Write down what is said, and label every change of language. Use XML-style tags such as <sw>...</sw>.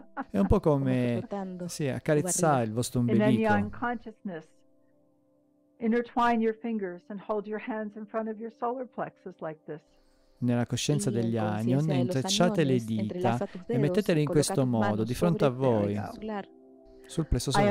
<it>È un po' come sì, accarezzare il vostro ombelico.</it> <en>Intertwine your fingers and hold your hands in front of your solar plexus like this.</en> <it>Nella coscienza degli anion, intrecciate le dita e mettetele in questo modo di fronte a voi sul plesso solare.</it>